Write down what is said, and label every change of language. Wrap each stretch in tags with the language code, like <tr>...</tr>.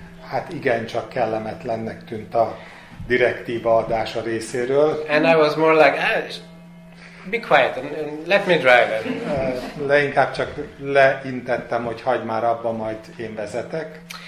<hu>Hát igen, csak kellemetlennek tűnt a direktíva adása részéről.</hu> <en>And I was more like, ah, be quiet and let me drive it.</en> <hu>Leinkább csak leintettem, hogy hagyd már abba, majd én vezetek.</hu>